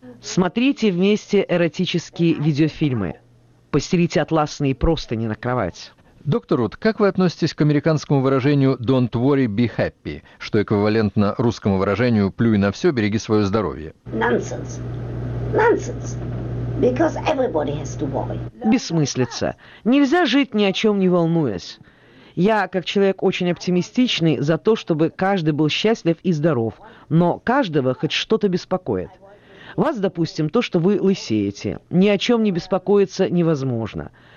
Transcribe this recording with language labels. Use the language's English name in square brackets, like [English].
[Russian] Смотрите вместе эротические видеофильмы. Постелите атласные простыни на кровать. Доктор Рут, как вы относитесь к американскому выражению [English] «don't worry, be happy», [Russian] что эквивалентно русскому выражению «плюй на все, береги свое здоровье»? Нонсенс. Нонсенс. [English] Because everybody has to worry. [Russian] Бессмыслица. Нельзя жить, ни о чем не волнуясь. Я, как человек очень оптимистичный, за то, чтобы каждый был счастлив и здоров, но каждого хоть что-то беспокоит. Вас, допустим, то, что вы лысеете. Ни о чем не беспокоиться невозможно.